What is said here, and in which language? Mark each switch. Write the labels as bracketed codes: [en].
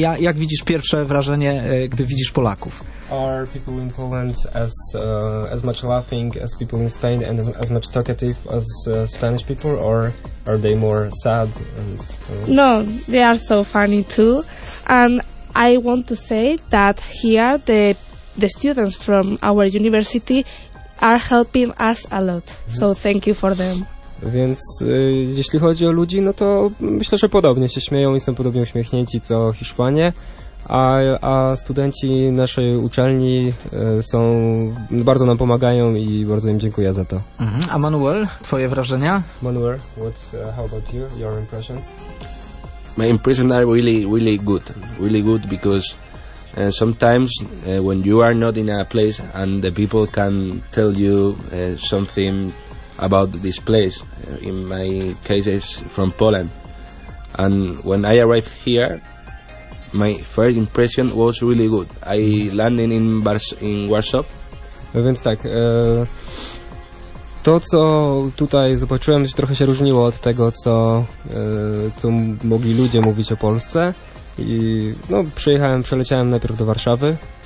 [pl] Jak widzisz pierwsze wrażenie, gdy widzisz Polaków? [en] Are people in Poland as much laughing as people in Spain and as much talkative as Spanish people, or are they more sad? No, they are so funny too. And I want to say that here the the students from our university are helping us a lot. So thank you for them. [pl] Więc jeśli chodzi o ludzi, no to myślę, że podobnie się śmieją i są podobnie uśmiechnięci co Hiszpanie. A studenci naszej uczelni są, bardzo nam pomagają i bardzo im dziękuję za to. A Manuel, twoje wrażenia? [en] Manuel, what how about you? Your impressions? My impressions are really, really good. Really good because sometimes when you are not in a place and the people can tell you something about this place, in my case is from Poland. And when I arrived here, my first impression was really good. I landed in Warsaw. [pl] Więc tak, to co tutaj zobaczyłem, trochę się różniło od tego, co mogli ludzie mówić o Polsce. I no, przeleciałem najpierw do Warszawy.